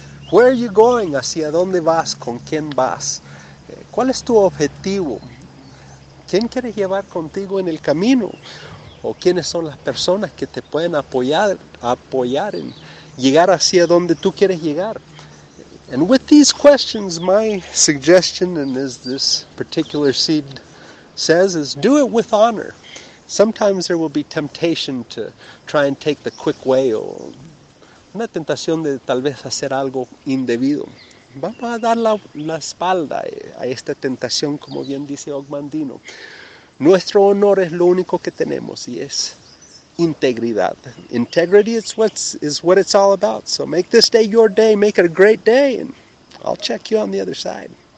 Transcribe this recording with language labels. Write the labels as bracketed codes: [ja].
[en] Where are you going? [es] ¿Hacia dónde vas? ¿Con quién vas? ¿Cuál es tu objetivo? ¿Quién quieres llevar contigo en el camino? ¿O quiénes son las personas que te pueden apoyar en llegar hacia donde tú quieres llegar? [en] And with these questions, my suggestion, and as this particular seed says, is do it with honor. Sometimes there will be temptation to try and take the quick way, [es] o una tentación de tal vez hacer algo indebido. Vamos a dar la espalda a esta tentación, como bien dice Ogmandino. Nuestro honor es lo único que tenemos, y es integridad. [en] Integrity is what it's all about. So make this day your day. Make it a great day, and I'll check you on the other side.